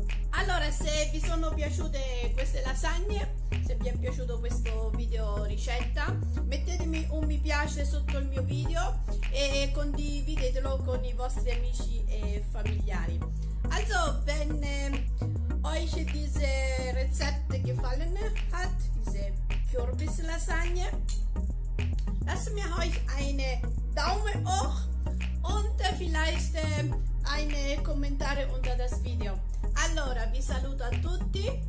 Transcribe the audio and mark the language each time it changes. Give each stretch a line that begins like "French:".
Italian: Allora, se vi sono piaciute queste lasagne, se vi è piaciuto questo video ricetta, mettetemi un mi piace sotto il mio video e condividetelo con i vostri amici e familiari.
German: Also, wenn euch diese Rezept gefallen hat, diese Kürbis Lasagne, lasst mir euch einen Daumen hoch und vielleicht einen Kommentar unter das Video.
Italian: Allora, vi saluto a tutti.